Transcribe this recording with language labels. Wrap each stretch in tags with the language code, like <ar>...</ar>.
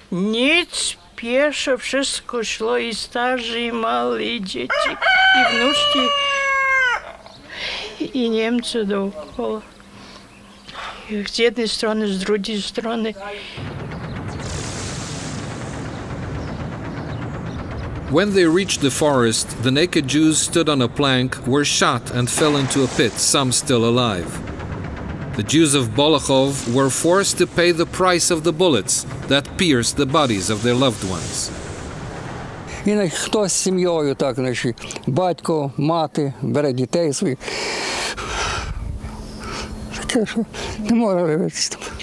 <uk>Ніч, пєшо, все скошло, і старші, і малі, і діти, і внучки, і німці довкола. З єдної сторони, з другої сторони.</uk> <en>When they reached the forest, the naked Jews stood on a plank, were shot and fell into a pit, some still alive. The Jews of Bolochov were forced to pay the price of the bullets that pierced the bodies of their loved ones.</en> <uk>Іноді хтось з сім'єю, так, наші батько, мати, бере дітей своїх. Таке, що не можна дивитися.</uk>